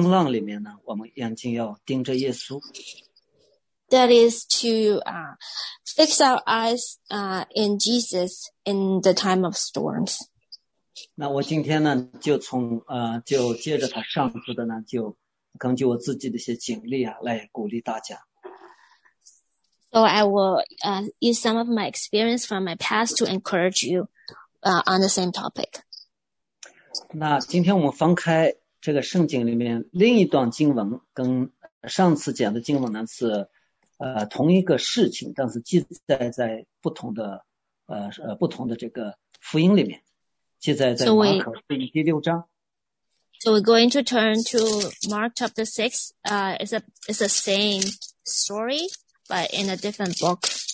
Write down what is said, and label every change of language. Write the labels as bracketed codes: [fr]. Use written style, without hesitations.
[zh] 就是在风浪里面呢，我们眼睛要盯着耶稣。 [en] That is to fix our eyes in Jesus in the time of storms. [zh] 那我今天呢，就接着他上次的呢，就。根据我自己的一些经历啊，来鼓励大家。So [en] I will use some of my experience from my past to encourage you on the same topic. [zh] 那今天我们翻开这个圣经里面另一段经文，跟上次讲的经文呢是同一个事情，但是记载在不同的这个福音里面，记载在马可福音第六章。 [en] So we're going to turn to Mark chapter 6. It's a same story, but in a different book.